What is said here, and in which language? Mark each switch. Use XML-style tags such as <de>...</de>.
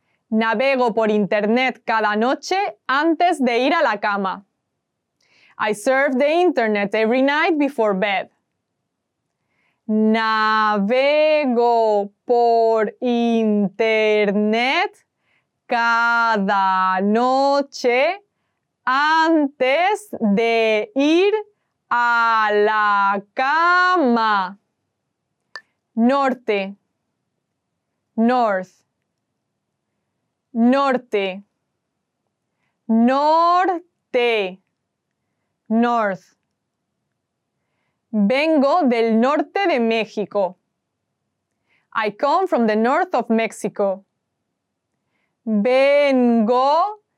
<es>Navego por internet cada noche antes de ir a la cama.</es> <en>I surf the internet every night before bed.</en> <es>Navego por internet cada noche antes de ir a la cama. Norte.</es> <en>North.</en> <es>Norte. Norte.</es> <en>North.</en> <es>Vengo del norte de México.</es> <en>I come from the north of Mexico.</en> <es>Vengo</es>